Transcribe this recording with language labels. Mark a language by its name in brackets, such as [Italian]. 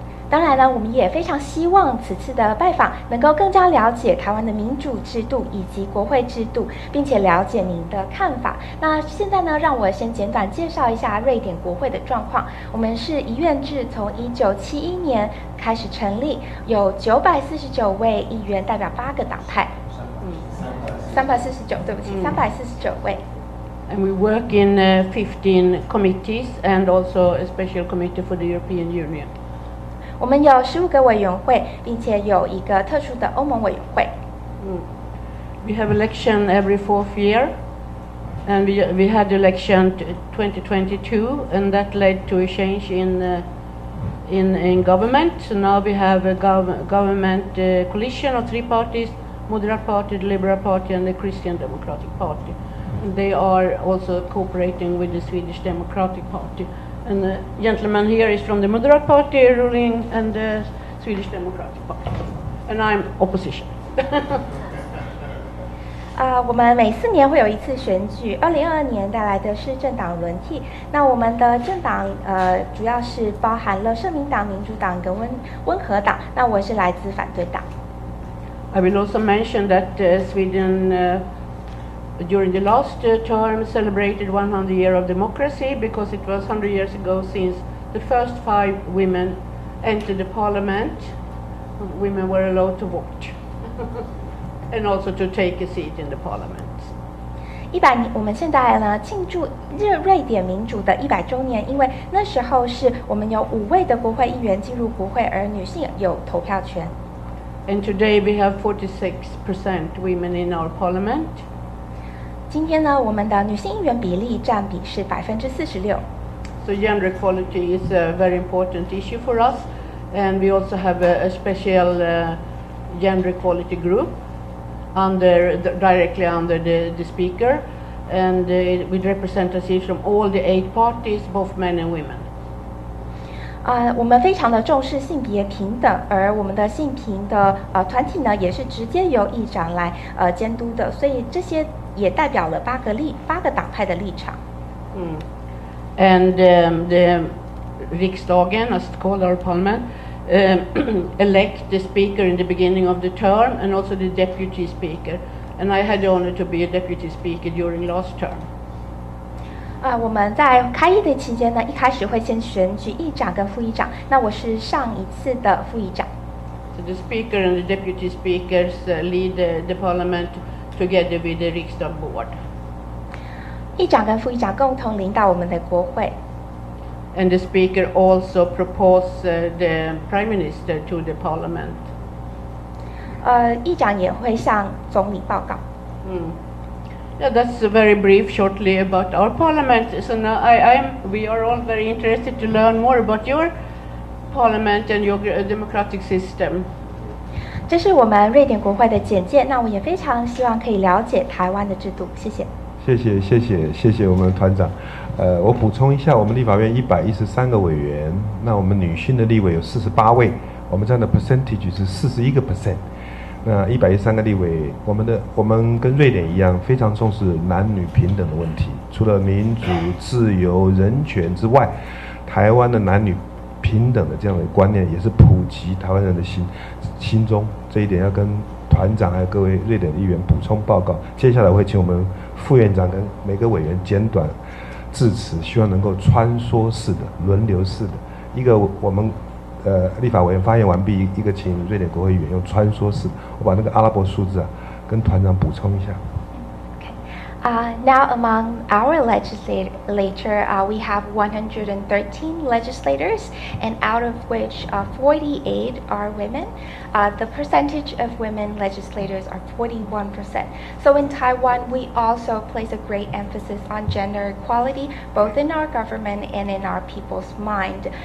[Chinese] 当然呢，我们也非常希望此次的拜访能够更加了解台湾的民主制度以及国会制度，并且了解您的看法。那现在呢，让我先简短介绍一下瑞典国会的状况。我们是一院制，从1971年开始成立，有949位议员，代表八个党派。349位。 [English] And we work in 15 committees and also a special committee for the European Union. [Chinese] 我们有15个委员会，并且有一个特殊的欧盟委员会。 [English] We have election every fourth year, and we had election 2022, and that led to a change in government. So now we have a government coalition of three parties: Moderate Party, the Liberal Party, and the Christian Democratic Party. They are also cooperating with the Swedish Democratic Party. And the gentleman here is from the Moderate Party ruling and the Swedish Democratic Party. And I'm opposition. [Chinese] 我们每四年会有一次选举，2022年带来的是政党轮替。那我们的政党主要是包含了社民党、民主党跟温和党。那我是来自反对党。 [English] I will also mention that Sweden during the last term celebrated 100 years of democracy because it was 100 years ago since the first 5 women entered the parliament. Women were allowed to vote. And also to take a seat in the parliament. [Chinese] 我们现在呢庆祝瑞典民主的100周年，因为那时候是我们有5位的国会议员进入国会，而女性有投票权。 [English] And today we have 46% women in our parliament. [Chinese] 今天呢，我们的女性议员比例占比是46%。 [English] So gender equality is a very important issue for us, and we also have a special gender equality group. Directly under the speaker, and with representatives from all the 8 parties, both men and women. [Chinese] 我们非常的重视性别平等，而我们的性平的团体呢，也是直接由议长来监督的，所以这些也代表了八个党派的立场。 [English] And the Riksdagen, as it's called, our parliament. Elect the speaker in the beginning of the term and also the deputy speaker. And I had the honor to be a deputy speaker during last term. [Chinese] 我们在开议的期间呢，一开始会先选举议长跟副议长，那我是上一次的副议长。 [English] So the speaker and the deputy speakers lead the parliament together with the Riksdag board. [Chinese] 议长跟副议长共同领导我们的国会。 [English] And the speaker also proposes the prime minister to the parliament. [Chinese] 议长也会向总理报告。 [English] Yeah, that's very brief, shortly about our parliament. So now we are all very interested to learn more about your parliament and your democratic system. [Chinese] 这是我们瑞典国会的简介。那我也非常希望可以了解台湾的制度。谢谢。谢谢我们团长。我补充一下，我们立法院113个委员，那我们女性的立委有48位，我们占的 [English] percentage [Chinese] 是41%。那113个立委，我们跟瑞典一样，非常重视男女平等的问题。除了民主、自由、人权之外，台湾的男女平等的这样的观念也是普及台湾人的心中。这一点要跟团长还有各位瑞典的议员补充报告。接下来会请我们副院长跟每个委员简短。致辞，希望能够穿梭式的、轮流式的，一个我们立法委员发言完毕，一个请瑞典国会议员用穿梭式，我把那个阿拉伯数字啊跟团长补充一下。 [English] Now among our legislature, we have 113 legislators, and out of which 48 are women. The percentage of women legislators are 41%. So in Taiwan, we also place a great emphasis on gender equality, both in our government and in our people's mind.